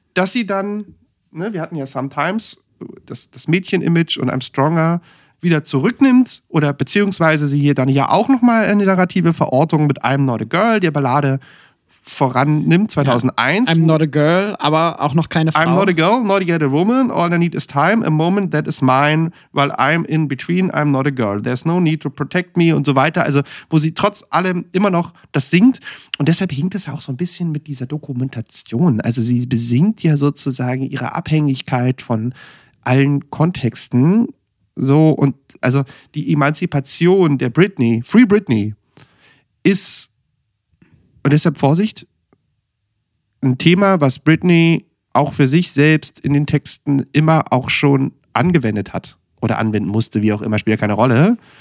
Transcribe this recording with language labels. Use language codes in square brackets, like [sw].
[de] Dass sie dann, ne, wir hatten ja sometimes das Mädchen-Image und I'm stronger wieder zurücknimmt oder beziehungsweise sie hier dann ja auch nochmal eine narrative Verortung mit I'm Not a Girl, der Ballade vorannimmt, 2001. Ja, [en] I'm not a girl, [de] aber auch noch keine Frau. [en] I'm not a girl, not yet a woman, all I need is time, a moment that is mine, while I'm in between, I'm not a girl. There's no need to protect me [de] und so weiter. Also wo sie trotz allem immer noch das singt. Und deshalb hinkt es ja auch so ein bisschen mit dieser Dokumentation. Also sie besingt ja sozusagen ihre Abhängigkeit von allen Kontexten. So, und also die Emanzipation der Britney, Free Britney, ist, und deshalb Vorsicht, ein Thema, was Britney auch für sich selbst in den Texten immer auch schon angewendet hat oder anwenden musste, wie auch immer, spielt ja keine Rolle.